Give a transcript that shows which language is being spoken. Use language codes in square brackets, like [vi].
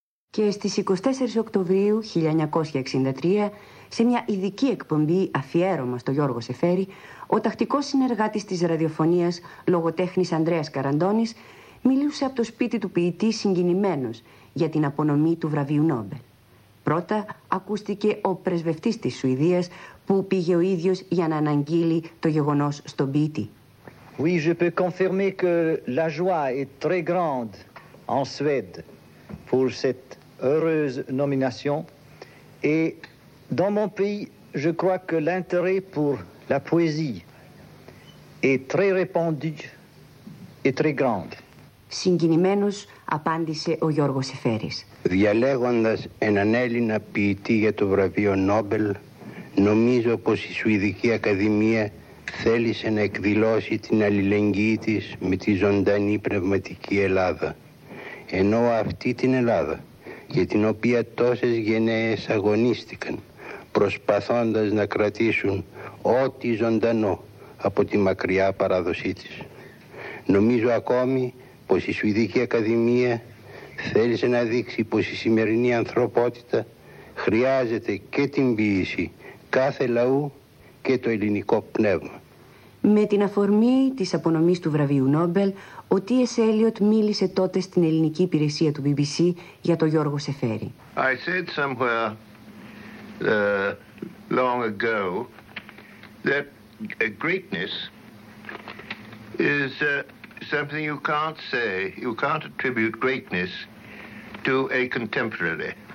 [el] Και στις 24 Οκτωβρίου 1963, σε μια ειδική εκπομπή αφιέρωμα στο Γιώργο Σεφέρη, ο τακτικός συνεργάτης της ραδιοφωνίας, λογοτέχνης Ανδρέας Καραντώνης, μιλούσε από το σπίτι του ποιητή συγκινημένος για την απονομή του βραβείου Νόμπελ. Πρώτα ακούστηκε ο πρεσβευτής της Σουηδίας, που πήγε ο ίδιος για να αναγγείλει το γεγονός στον ποιητή. [fr] Oui, je peux confirmer que la joie est très grande en Suède pour cette heureuse nomination. Et dans mon pays, je crois que l'intérêt pour la poésie est très répandu et très grande. [el] Συγκινημένος, απάντησε ο Γιώργος Σεφέρης. Διαλέγοντας έναν Έλληνα ποιητή για το βραβείο Νόμπελ, νομίζω πως η Σουηδική Ακαδημία θέλησε να εκδηλώσει την αλληλεγγύη της με τη ζωντανή πνευματική Ελλάδα. Ενώ αυτή την Ελλάδα, για την οποία τόσες γενναίες αγωνίστηκαν, προσπαθώντας να κρατήσουν ό,τι ζωντανό από τη μακριά παράδοσή της. Νομίζω ακόμη πως η Σουηδική Ακαδημία θέλησε να δείξει πως η σημερινή ανθρωπότητα χρειάζεται και την ποιήση κάθε λαού και το ελληνικό πνεύμα. Με την αφορμή της απονομής του βραβείου Νόμπελ, ο T.S. Eliot μίλησε τότε στην ελληνική υπηρεσία του BBC για τον Γιώργο Σεφέρη. [en] I said somewhere long ago that greatness is something you can't say, you can't attribute greatness to a contemporary.